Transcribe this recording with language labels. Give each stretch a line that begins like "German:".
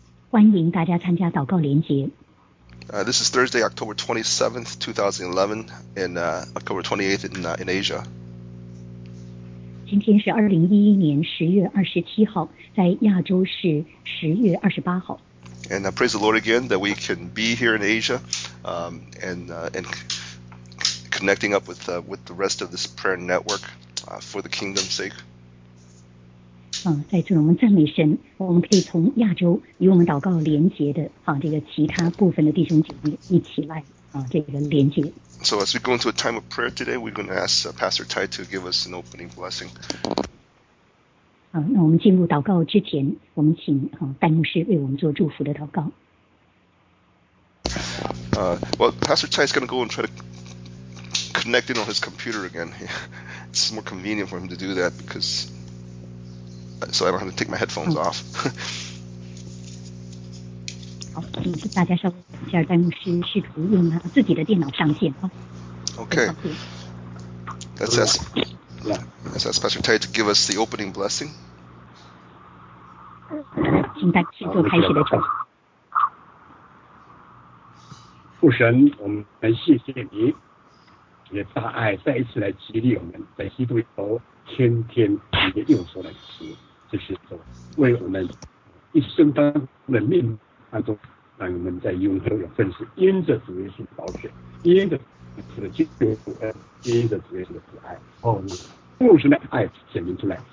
Chinese: 欢迎大家参加祷告连结。
English: This is Thursday, October 27th, 2011, and October 28th in Asia.
Chinese: 今天是2011年10月27号，在亚洲是10月28号。
English: And praise the Lord again that we can be here in Asia, and connecting up with the rest of this prayer network, for the kingdom's sake.
Chinese: 在此我们赞美神，我们可以从亚洲与我们祷告连结的这个其他部分的弟兄姐妹一起来这个连结。
English: So as we go into a time of prayer today, we're going to ask Pastor Tai to give us an opening blessing.
Chinese: 那我们进入祷告之前，我们请戴牧师为我们做祝福的祷告。
English: Well, Pastor Tai is going to go and try to connect in on his computer again. It's more convenient for him to do that because. So I don't have to take my headphones off.
Chinese: 好，请大家稍等一下，戴牧师试图用他自己的电脑上线。
English: Okay. Let's ask Pastor Tai to give us the opening blessing.
Chinese: 请戴牧师做开始的祝福。父神，我们谢谢你，你的大爱再一次来激励我们，在基督里头天天你的右手来吃。这是为我们一生当中的命当中，让我们在永恒有份，是因着主耶稣的宝血，因着主的基督主恩，因着主耶稣的慈爱，父神的爱显明出来。